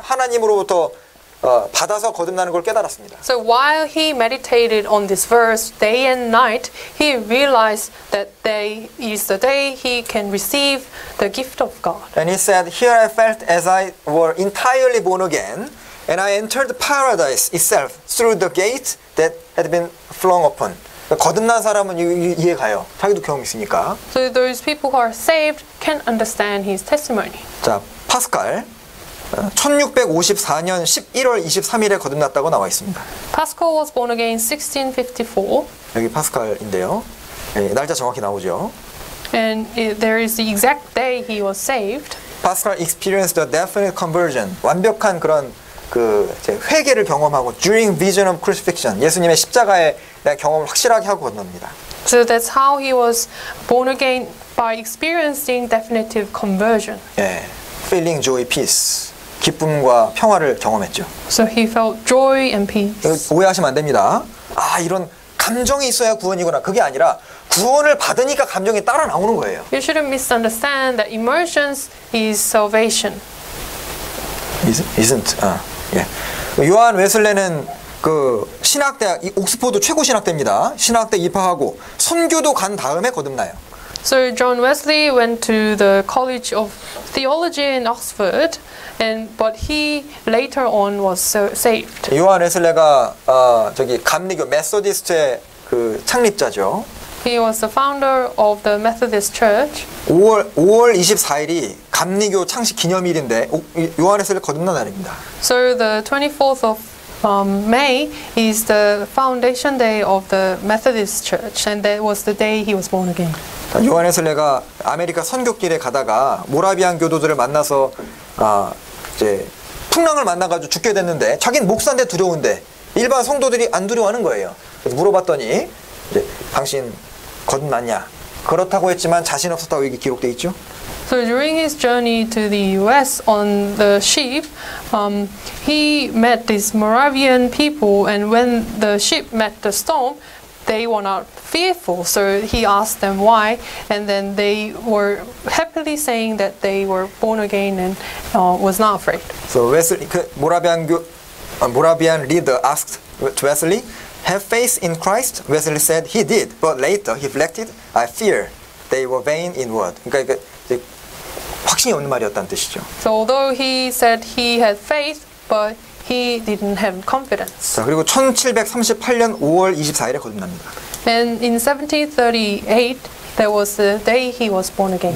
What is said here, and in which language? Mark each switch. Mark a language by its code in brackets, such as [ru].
[ko] 하나님으로부터 받아서 거듭나는 걸 깨달았습니다. [en] So while he meditated on this verse day and night, he realized that day is the day he can receive the gift of God. And he said, here I felt as I were entirely born again. And I entered paradise itself through the gate that had been flung open. [ko] 거듭난 사람은 이해 가요. 자기도 경험 있으니까. [en] So those people who are saved can understand his testimony. [ko] 자, 파스칼 1654년 11월 23일에 거듭났다고 나와 있습니다. [en] Pascal was born again 1654. [ko] 여기 파스칼인데요. 예, 날짜 정확히 나오죠. [en] And there is the exact day he was saved. Pascal experienced a definite conversion. [ko] 완벽한 그런 그 회개를 경험하고 [en] during vision of crucifixion [ko] 예수님의 십자가에 대한 경험을 확실하게 하고 거듭납니다. [en] So that's how he was born again by experiencing definitive conversion. [ko] 예, [en] feeling joy, peace, [ko] 기쁨과 평화를 경험했죠. [en] So he felt joy and peace. [ko] 오해하시면 안 됩니다. 아 이런 감정이 있어야 구원이구나 그게 아니라 구원을 받으니까 감정이 따라 나오는 거예요. [en] You shouldn't misunderstand that emotions is salvation. Isn't. 예. [ko] 요한 웨슬레는 그 신학대학, 옥스퍼드 최고 신학대입니다. 신학대 입학하고 선교도 간 다음에 거듭나요. [en] So John Wesley went to the College of Theology in Oxford, and but he later on was saved. [ko] 요한 웨슬레가 저기 감리교 메소디스트의 그 창립자죠. [en] He was the founder of the Methodist Church. [ko] 5월 24일이 감리교 창시 기념일인데 요한에서 거듭난 날입니다. [en] So the 24th of May is the foundation day of the Methodist Church and that was the day he was born again. [ko] 요한에서 내가 아메리카 선교길에 가다가 모라비안 교도들을 만나서 이제 풍랑을 만나 가지고 죽게 됐는데 자기는 목사인데 두려운데 일반 성도들이 안 두려워하는 거예요. 그래서 물어봤더니 이제 당신 거듭났냐? 그렇다고 했지만 자신 없었다고 이게 기록돼 있죠. [en] So during his journey to the U.S. on the ship, he met these Moravian people, and when the ship met the storm, they were not fearful. So he asked them why, and then they were happily saying that they were born again and was not afraid. So Wesley, 그 모라비안 leader asked to Wesley. Have faith in Christ? Wesley said he did, but later he reflected, I fear they were vain in word. [ko] 그러니까 확신이 없는 말이었다는 뜻이죠. [en] So although he said he had faith, but he didn't have confidence. [ko] 자, 그리고 1738년 5월 24일에 거듭납니다. [en] And in 1738, there was the day he was born again.